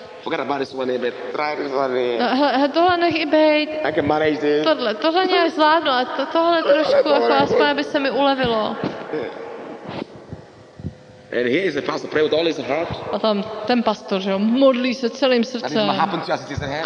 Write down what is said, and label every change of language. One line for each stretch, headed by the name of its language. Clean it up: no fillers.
English: Forget about this one, but try this one.
Czech: Tohle nech i bejt.
English: I can manage this.
Czech: Tohle nějak zvládnu, ale tohle trošku, aspoň by se mi ulevilo.
English: And here is the pastor pray with all his heart.
Czech: A tam ten pastor, že jo, modlí se celým srdcem.
English: And it happened to you as it is in heaven.